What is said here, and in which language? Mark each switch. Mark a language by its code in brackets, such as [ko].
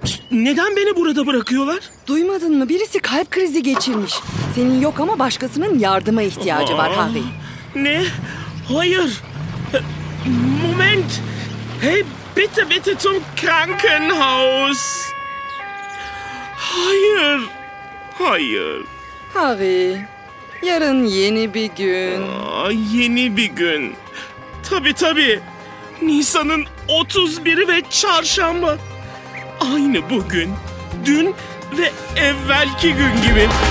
[tr] Neden beni burada bırakıyorlar? Duymadın mı? Birisi kalp krizi geçirmiş. Senin yok ama başkasının yardıma ihtiyacı var Harry. Ne? Hayır. Moment. [de] Hey, bitte, bitte zum Krankenhaus. [tr] Hayır. Hayır. Harry, yarın yeni bir gün. Yeni bir gün. Tabii, tabii. Nisan'ın 31'i ve çarşamba. Aynı bugün, dün ve evvelki gün gibi.